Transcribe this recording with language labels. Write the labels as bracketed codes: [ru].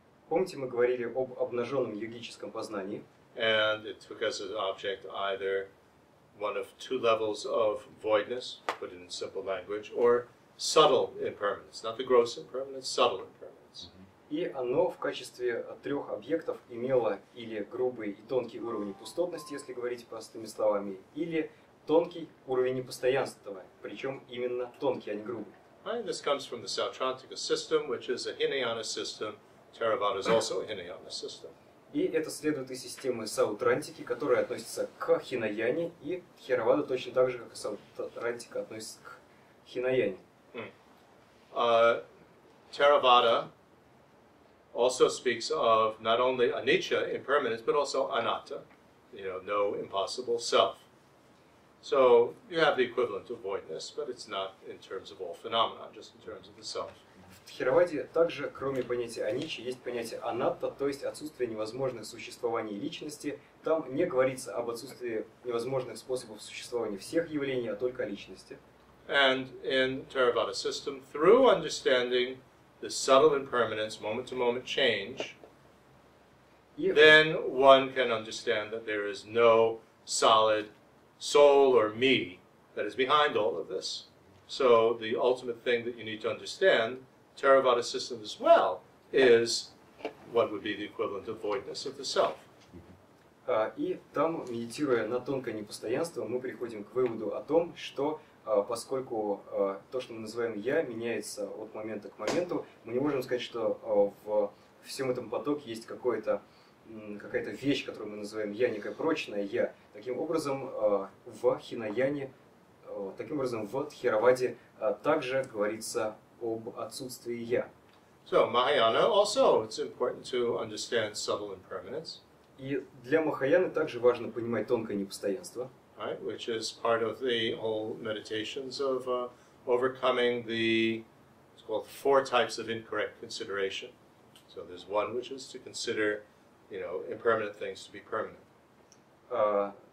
[ru] Помните, мы говорили об обнаженном йогическом познании. [en] And it took as an object either one of two levels of voidness, put it in simple language, or subtle impermanence, not the gross impermanence, subtle impermanence. [ru] И оно в качестве трех объектов имело или грубый и тонкий уровень пустотности, если говорить простыми словами, или тонкий уровень непостоянства, причем именно тонкий, а не грубый. [en] And this comes from the Sautrantika system, which is a Hinayana system. Theravada is also a Hinayana system. [ru] И это следует из системы Саутрантики, которая относится к Хинаяне, и Тхеравада точно так же, как и Саутрантика, относится к Хинаяне. [en] Theravada also speaks of not only anicca, impermanence, but also anatta, you know, no impossible self. So you have the equivalent of voidness, but it's not in terms of all phenomena, just in terms of the self. [ru] В Тхераваде также, кроме понятия аничча, есть понятие анатта, то есть отсутствие невозможных существований личности. Там не говорится об отсутствии невозможных способов существования всех явлений, а только о личности. [en] And in Theravada system, through understanding the subtle impermanence, moment-to-moment change, then one can understand that there is no solid soul or me that is behind all of this. So the ultimate thing that you need to understand Theravada system as well is what would be the equivalent of voidness of the self. [ru] И там, медитируя на тонкое непостоянство, мы приходим к выводу о том, что поскольку то, что мы называем я, меняется от момента к моменту, мы не можем сказать, что в всем этом потоке есть какая-то вещь, которую мы называем я, некое прочное я. Таким образом, в Хинаяне, в Тхераваде также говорится об отсутствии я. [en] So Mahayana also it's important to understand subtle impermanence. [ru] И для Махаяны также важно понимать тонкое непостоянство. [en] Right, which is part of the whole meditations of overcoming the it's called four types of incorrect consideration. So there's one which is to consider, you know, impermanent things to be permanent.